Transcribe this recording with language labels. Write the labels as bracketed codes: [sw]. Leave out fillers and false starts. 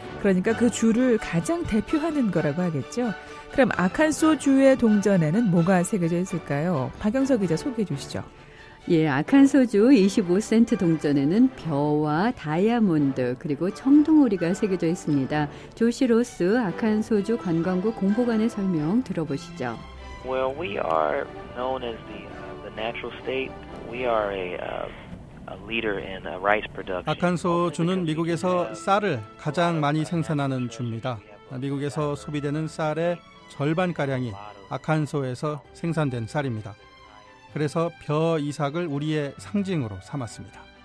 [ko] 그러니까 그 주를 가장 대표하는 거라고 하겠죠. 그럼 아칸소 주의 동전에는 뭐가 새겨져 있을까요? 박영석 기자 소개해 주시죠. 예, 아칸소주 25센트 동전에는 벼와 다이아몬드 그리고 청둥오리가 새겨져 있습니다. 조시 로스 아칸소주 관광구 공보관의 설명 들어보시죠. [en] Well, we are known as the natural state. We are a leader in rice production. [ko] 아칸소주는 미국에서 쌀을 가장 많이 생산하는 주입니다. 미국에서 소비되는 쌀의 절반 가량이 아칸소에서 생산된 쌀입니다. 그래서 벼 이삭을 우리의 상징으로 삼았습니다.